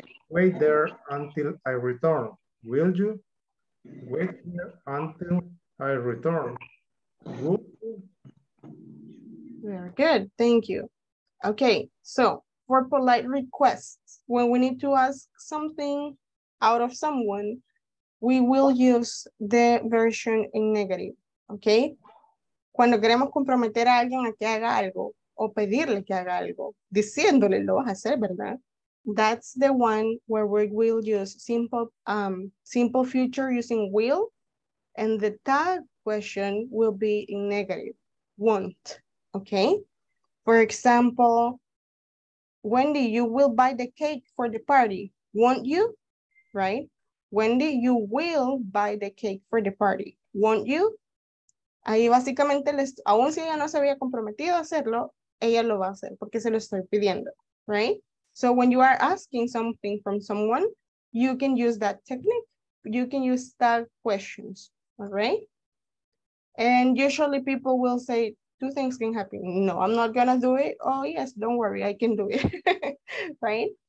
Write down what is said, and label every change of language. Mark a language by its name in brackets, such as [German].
[English] Wait there until I return. Will you? Wait here until I return. Would you? Very good, thank you. Okay, so for polite requests. When we need to ask something out of someone, we will use the version in negative, okay? [Spanish] Cuando queremos comprometer a alguien a que haga algo o pedirle que haga algo, diciéndole lo vas a hacer, ¿verdad? [English] That's the one where we will use simple future using will, and the tag question will be in negative, won't, okay? For example, Wendy, you will buy the cake for the party, won't you, right? Wendy, you will buy the cake for the party, won't you? [Spanish] Ahí básicamente, aún si ella no se había comprometido a hacerlo, ella lo va a hacer porque se lo estoy pidiendo, right? [English] So when you are asking something from someone, you can use that technique. You can use tag questions, all right? And usually people will say, two things can happen. No, I'm not gonna do it. Oh yes, don't worry, I can do it, right?